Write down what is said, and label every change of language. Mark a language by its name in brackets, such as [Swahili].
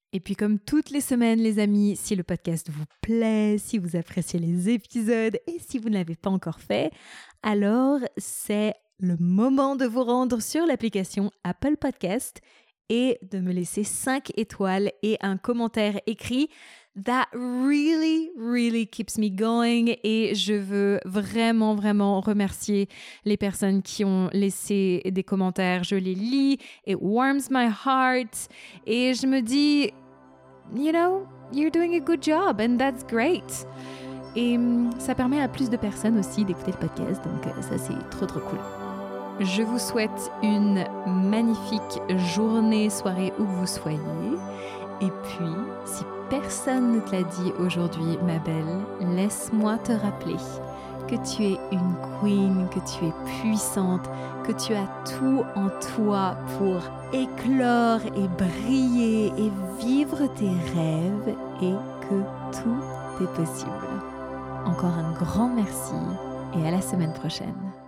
[French] Et puis comme toutes les semaines, les amis, si le podcast vous plaît, si vous appréciez les épisodes et si vous ne l'avez pas encore fait, alors c'est le moment de vous rendre sur l'application Apple Podcast et de me laisser 5 étoiles et un commentaire écrit. [English] That really, really keeps me going. [French] Et je veux vraiment, vraiment remercier les personnes qui ont laissé des commentaires. Je les lis. [English] It warms my heart. [French] Et je me dis, [English] you know, you're doing a good job and that's great. [French] Et ça permet à plus de personnes aussi d'écouter le podcast. Donc ça, c'est trop, trop cool. Je vous souhaite une magnifique journée, soirée, où vous soyez. Et puis, si personne ne te l'a dit aujourd'hui, ma belle, laisse-moi te rappeler que tu es une queen, que tu es puissante, que tu as tout en toi pour éclore et briller et vivre tes rêves et que tout est possible. Encore un grand merci et à la semaine prochaine.